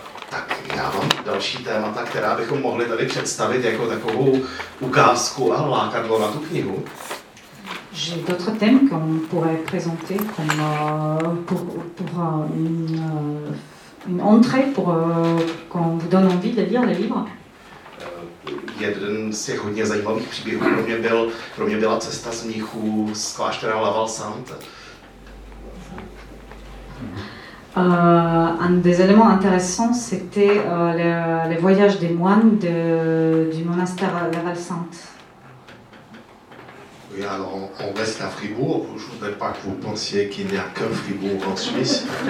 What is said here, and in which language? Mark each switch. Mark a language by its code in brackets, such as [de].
[cs] Tak já mám další témata, která bychom mohli tady představit jako takovou ukázku a lákadlo na tu knihu. [fr] J'ai d'autres thèmes qu'on pourrait présenter comme pour une entrée pour qu'on vous donne envie de lire le livre. [cs] Jeden z těch hodně zajímavých příběhů pro mě byla cesta z mníchů z kláštera La Val Sainte. [fr] Un des éléments intéressants, c'était les voyages des moines du monastère La Val-Sainte. Oui, alors on reste à Fribourg. Je ne voudrais pas que vous pensiez qu'il n'y a que Fribourg en Suisse.